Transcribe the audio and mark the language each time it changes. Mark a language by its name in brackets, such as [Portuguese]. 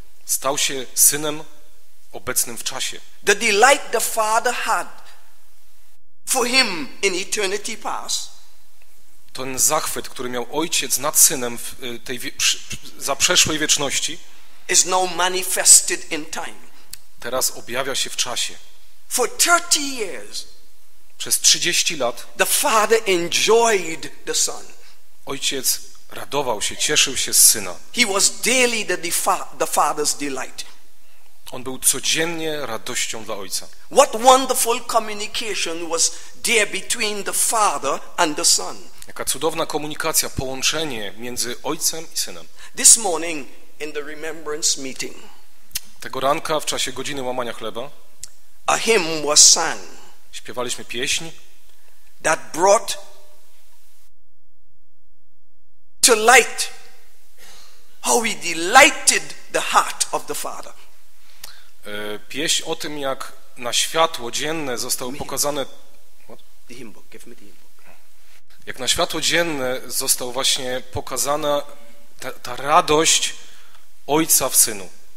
[Polish] Stał się Synem obecnym w czasie. [English] The delight the Father had for him in eternity past, [Polish] ten zachwyt, który miał Ojciec nad Synem w tej za przeszłej wieczności, [English] is now manifested in time. [Polish] Teraz objawia się w czasie. [English] For 30 years, [Polish] przez 30 lat, [English] the Father enjoyed the Son. [Polish] Ojciec radował się, cieszył się z Syna. [English] He was daily the Father's delight. [Polish] On był codziennie radością dla Ojca. [English] What wonderful communication was there between the Father and the Son. [Polish] Jaka cudowna komunikacja, połączenie między Ojcem i Synem. [English] This morning in the remembrance meeting, [Polish] tego ranka w czasie godziny łamania chleba, [English] a hymn was sung, [Polish] śpiewaliśmy pieśń, [English] that brought to light how we delighted the heart of the Father. [Polish] Pieśń o tym, jak na światło dzienne zostały pokazane. [English] What? The hymn book. Give me the hymn book. [Polish] Jak na światło dzienne został właśnie pokazana ta radość Ojca w Synu.